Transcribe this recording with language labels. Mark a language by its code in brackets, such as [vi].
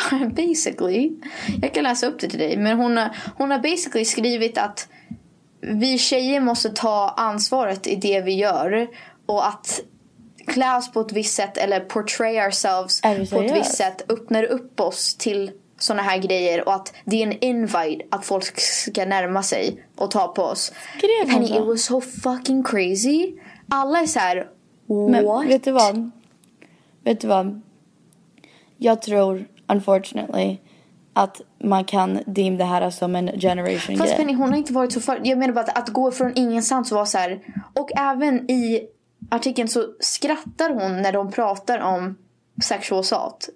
[sv] Basically, jag kan läsa upp det till dig, men hon har basically skrivit att vi tjejer måste ta ansvaret i det vi gör och att klä oss på ett visst sätt eller [en] portray ourselves [sv] på ett visst sätt öppnar upp oss till såna här grejer och att det är en invite att folk ska närma sig och ta på oss. [en] Honey, it was so fucking crazy. [sv] Alla är så här, what? Men, vet du vad? Jag tror, unfortunately, att man kan deem det här som en generation fast grej. Penny, hon har inte varit så för... Jag menar bara att gå från ingenstans och vara så här. Och även i artikeln så skrattar hon när de pratar om sexual assault.